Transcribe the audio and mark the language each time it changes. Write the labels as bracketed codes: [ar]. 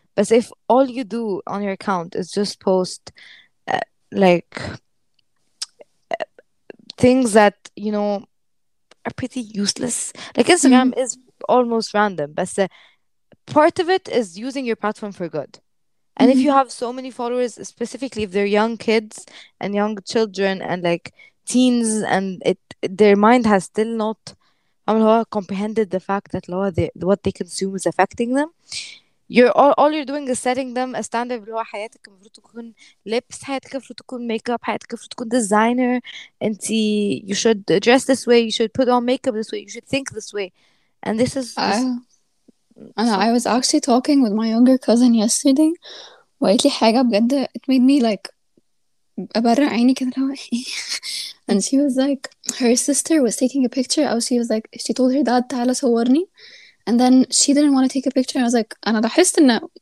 [en] But if all you do on your account is just post like things that, you know, are pretty useless, like Instagram is almost random, but part of it is using your platform for good. And if you have so many followers, specifically if they're young kids and young children and like teens, and their mind has still not comprehended the fact that law, what they consume is affecting them. All you're doing is setting them a standard of law. [ar] حياتك المفروض تكون lips, حياتك المفروض تكون makeup, حياتك المفروض تكون designer. [en] And you should dress this way, you should put on makeup this way, you should think this way. And this And so. I was actually talking with my younger cousin yesterday [ar] وقالت لي حاجة بجد [en] it made me like [ar] أبرع عيني كده [en] and she was like her sister was taking a picture أو she was like she told her dad [ar] تعالى صورني [en] and then she didn't want to take a picture and I was like [ar] أنا لاحظت إن